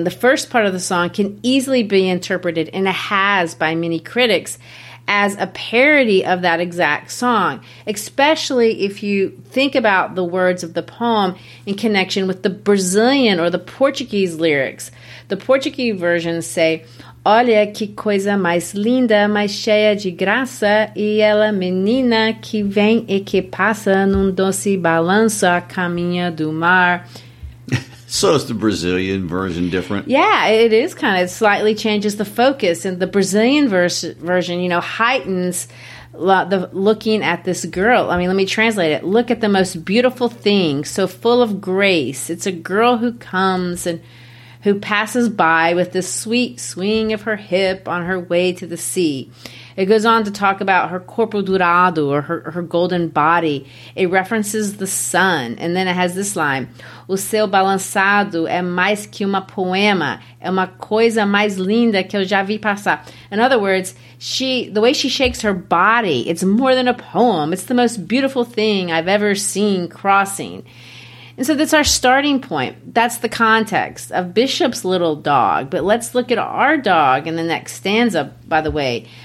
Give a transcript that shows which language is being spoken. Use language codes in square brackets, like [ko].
[en] And the first part of the song can easily be interpreted, and it has by many critics, as a parody of that exact song, especially if you think about the words of the poem in connection with the Brazilian or the Portuguese lyrics. The Portuguese versions say, [pt] Olha que coisa mais linda, mais cheia de graça, e ela menina que vem e que passa num doce balanço a caminho do mar. [en] So is the Brazilian version different? Yeah, it is kind of. It slightly changes the focus. And the Brazilian version, you know, heightens the looking at this girl. I mean, let me translate it. Look at the most beautiful thing, so full of grace. It's a girl who comes and who passes by with this sweet swing of her hip on her way to the sea. It goes on to talk about her [pt] corpo dourado, [en] or her golden body. It references the sun. And then it has this line, [pt] O seu balançado é mais que uma poema. É uma coisa mais linda que eu já vi passar. [en] In other words, the way she shakes her body, it's more than a poem. It's the most beautiful thing I've ever seen crossing. And so that's our starting point. That's the context of Bishop's little dog. But let's look at our dog in the next stanza, by the way.